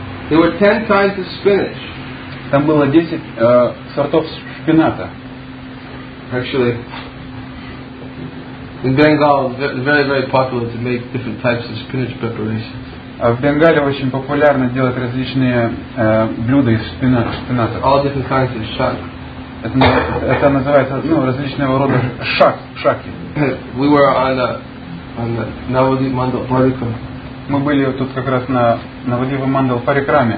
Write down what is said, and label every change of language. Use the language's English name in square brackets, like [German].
[English] There were 10 kinds of spinach. [Russian] Там было 10 сортов шпината. [English] Actually, in Bengal, very, very popular to make different types of spinach preparations. [Russian] В Бенгале очень популярно делать различные блюда из шпината. [English] All different kinds of shak. [Russian] Это называется, различного рода шаки. [English] We were on the Navadvip Mandal Parikram. [Russian] Мы были тут как раз на Navadvip Mandal Parikram.